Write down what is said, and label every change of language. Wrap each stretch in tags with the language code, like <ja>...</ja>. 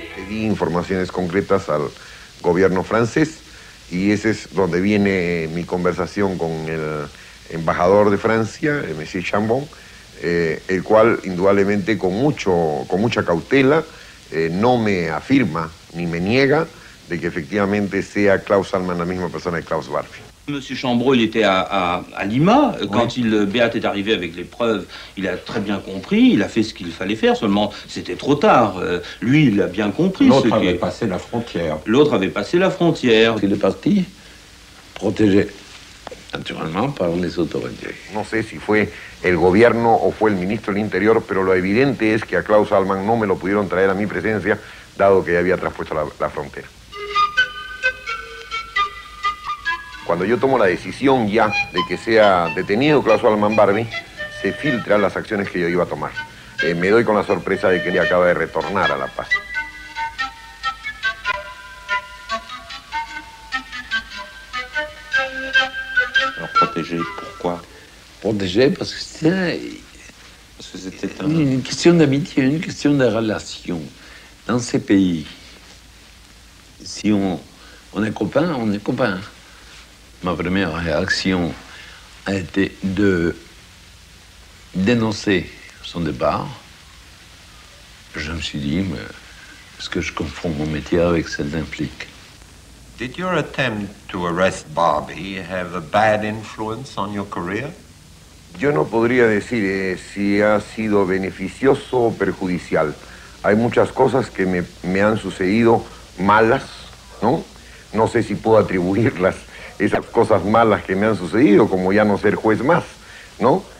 <es>Informaciones concretas al gobierno francés y ese es donde viene mi conversación con el embajador de Francia, Monsieur Chambon, el cual indudablemente con mucha cautela no me afirma ni me niega de que efectivamente sea Klaus Allemann la misma persona que Klaus Barbie.</es> <fr>Monsieur Chambon, il était à Lima. Quand oui. Béat est arrivé avec les preuves, il a très bien compris, il a fait ce qu'il fallait faire, seulement c'était trop tard. Lui, il a bien compris. L'autre avait passé la frontière. Il est parti, protégé, naturellement, par les autorités.</fr> <es>No sé si fue el gobierno o fue el ministro del Interior, pero lo evidente es que a Klaus Allemann no me lo pudieron traer a mi presencia, dado que ya había traspuesto la frontera. Cuando yo tomo la decisión ya de que sea detenido Klaus Allemann Barbie, se filtran las acciones que yo iba a tomar. Me doy con la sorpresa de que él acaba de retornar a La Paz. ¿Proteger? ¿Por qué? ¿Proteger? Porque</es> <fr>c'était</fr> <es>una cuestión de amistad, una cuestión de relación. En ese país,</es> <fr>si on est copain, on est copain. Ma première réaction a été de dénoncer son départ. Je me suis dit, mais est-ce que je confonds mon métier avec celle d'un flic?</fr> <en>Did your attempt to arrest Barbie have a bad influence on your career?</en> <es>Yo no podría decir si ha sido beneficioso o perjudicial. Hay muchas cosas que me han sucedido malas, ¿no? No sé si puedo atribuirlas. Esas cosas malas que me han sucedido, como ya no ser juez más, ¿no?</es>